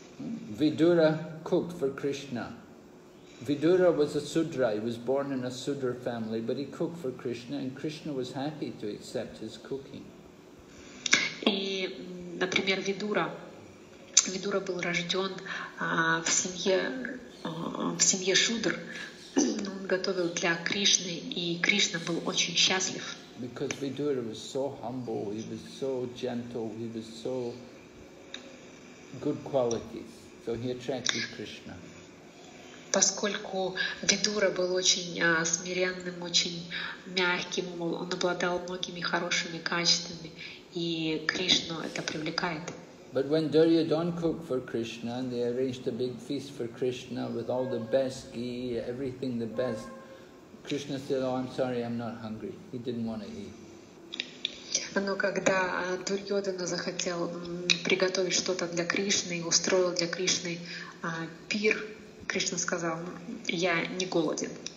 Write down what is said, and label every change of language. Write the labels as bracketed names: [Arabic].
[English] Vidura cooked for Krishna. Vidura was a sudra. He was born in a sudra family, but he cooked for Krishna, and Krishna was happy to accept his cooking. [Russian] И, например, Видура был рожден в семье шудр, но он готовил для Кришны, и Кришна был очень счастлив. [English] Because Vidura was so humble, he was so gentle, he was so good qualities, so he attracted Krishna. [Russian] Поскольку Видура был очень смиренным, очень мягким, он обладал многими хорошими качествами, и Кришну это привлекает. [English] But when Duryodhana cooked for Krishna, and they arranged a big feast for Krishna with all the best ghee, everything the best, Krishna said, "Oh, I'm sorry, I'm not hungry." He didn't want to eat. [Russian] Но когда Дурьодана захотел приготовить что-то для Кришны и устроил для Кришны пир, Кришна сказал, "Я не голоден."